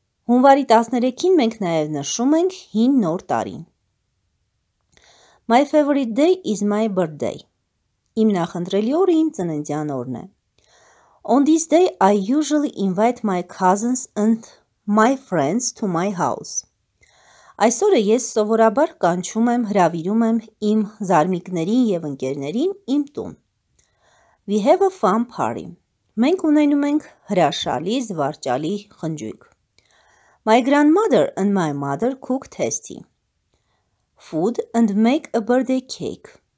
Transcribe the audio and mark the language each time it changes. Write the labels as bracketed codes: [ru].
[hy] Հունվարի 13-ին մենք նաև նշում ենք հին նոր տարին. [en] My favorite day is my birthday. [hy] Իմ նախընտրելի օրը իմ ծննդյան օրն է. [en] On this day I usually invite my cousins and my friends to my house. [hy] Այսօրը ես սովորաբար կանչում եմ, հրավիրում եմ իմ զարմիկներին և ընկերներին իմ տուն. [en] We have a fun party. [hy] Մենք ունենում ենք հրաշալի, զվարճալի խնջույք։ [en] My grandmother and my mother cook tasty food and make a birthday cake.